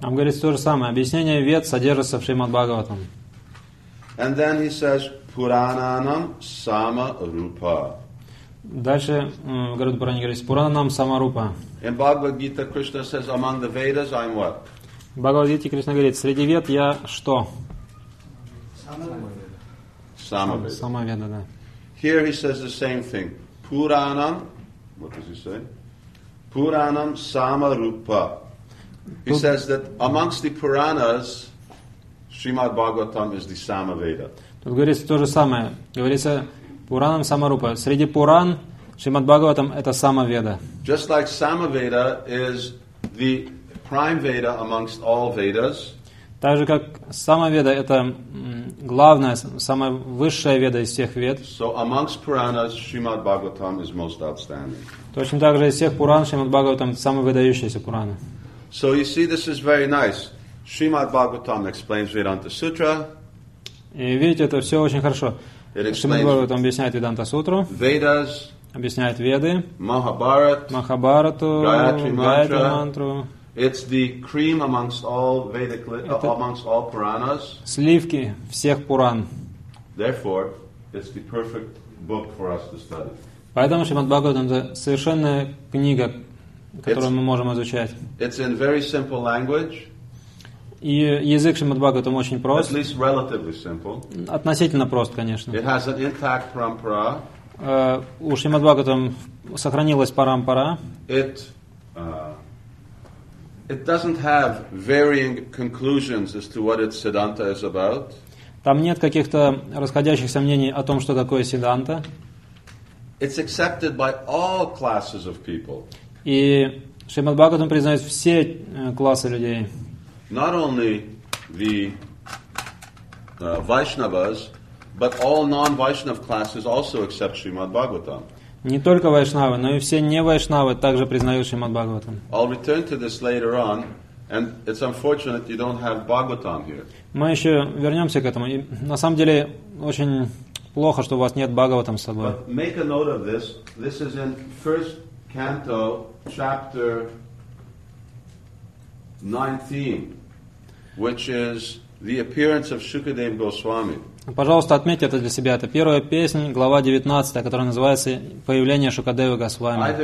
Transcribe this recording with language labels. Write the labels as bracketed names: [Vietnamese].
[Russian] Там говорится то же самое. Объяснение Вед содержится в Шримад Бхагаватам. [English] And then he says Пурананам Сама Рупа. [Russian] Дальше в Гаруда Пуране говорится Пурананам Сама Рупа. [English] In Bhagavad Gita Krishna says among the Vedas I'm what? [Russian] Бхагавад-гите Кришна говорит, среди вед я что? Самаведа. Самаведа, да. [English] Here he says the same thing. Пуранам, what does he say? [Sanskrit] Пуранам Самарупа. [English] He says that amongst the Puranas, Srimad Bhagavatam is the Самаведа. [Russian] Тут говорится то же самое. Говорится Пуранам Самарупа. Среди Пуран, Шримад Бхагаватам это Самаведа. [English] Just like Самаведа is the Prime Veda amongst all Vedas. [Russian] Так же как сама Веда это главная, самая высшая Веда из всех Вед. [English] So amongst Puranas, Srimad Bhagavatam is most outstanding. [Russian] Точно так же из всех Пуран Шримад Бхагаватам самый выдающийся Пурана. [English] So you see, this is very nice. Srimad Bhagavatam explains Vedanta Sutra. [Russian] И видите, это все очень хорошо. Шримад Бхагаватам объясняет Веданта Сутру. [English] Vedas. [Russian] Объясняет Веды. [English] Махабхарат. [Russian] Махабхарату. Гаятри мантру. [English] It's the cream amongst all Vedic amongst all Puranas. [Russian] Сливки всех Пуран. [English] Therefore, it's the perfect book for us to study. [Russian] Поэтому Шримад Бхагаватам это совершенная книга которую мы можем изучать. [English] It's in very simple language. [Russian] И язык Шримад-Бхагаватам очень прост. [English] At least relatively simple. [Russian] Относительно прост, конечно. [English] It has an intact parampara. [Russian] У Шримад-Бхагаватам сохранилась парампара. [English] It doesn't have varying conclusions as to what its siddhanta is about. [Russian] Там нет каких-то расходящихся мнений о том, что такое сиддханта. [English] It's accepted by all classes of people. [Russian] И Шримад-Бхагаватам признает все классы людей. [English] Not only the Vaishnavas, but all non-Vaishnav classes also accept Shrimad-Bhagavatam. [Russian] Не только вайшнавы, но и все не вайшнавы также признают Шримад-Бхагаватам. [English] I'll return to this later on, and it's unfortunate you don't have Bhagavatam here. [Russian] Мы еще вернемся к этому. И на самом деле очень плохо, что у вас нет Бхагаватам с собой. [English] But make a note of this. This is in first canto, chapter 19, which is the appearance of Shukadeva Goswami. [Russian] Пожалуйста, отметьте это для себя. Это первая песня, глава 19, которая называется «Появление Шукадевы Госвами».